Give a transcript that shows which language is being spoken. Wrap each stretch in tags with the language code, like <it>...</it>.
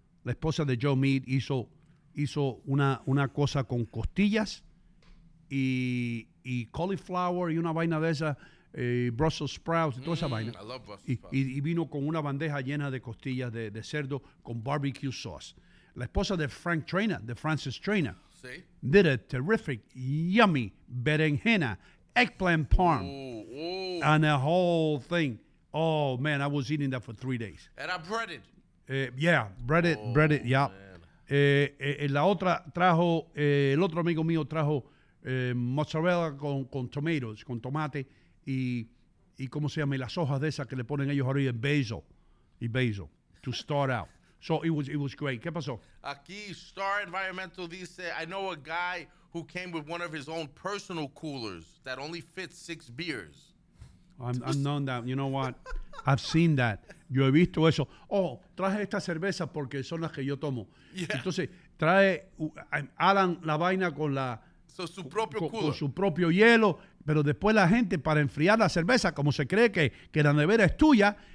<es>La esposa de Joe Meade hizo una cosa con costillas y cauliflower y una vaina de esa, Brussels sprouts y toda esa vaina.</es> <en>I love Brussels sprouts.</en> <es>Y vino con una bandeja llena de costillas de cerdo con barbecue sauce. La esposa de Frank Traina, de Francis Traina, ¿sí?</es> <en>Did a terrific, yummy berenjena, eggplant parm, and the whole thing. Oh, man, I was eating that for 3 days. And I breaded. Breaded, yeah. Man.</en> <es>La otra trajo, el otro amigo mío trajo mozzarella con tomatoes, con tomate y ¿cómo se llama? Y las hojas de esas que le ponen ellos arriba, basil,</es> <en>to start out. So it was great.</en> <es>¿Qué pasó? Aquí Star Environmental dice,</es> <en>I know a guy who came with one of his own personal coolers that only fits 6 beers. I've known that. You know what? I've seen that.</en> <es>Yo he visto eso. Oh, traje esta cerveza porque son las que yo tomo.</es> <en>Yeah.</en> <es>Entonces, trae Alan la vaina con la... So, su propio cooler. Con su propio hielo. Pero después la gente, para enfriar la cerveza, como se cree que la nevera es tuya,</es>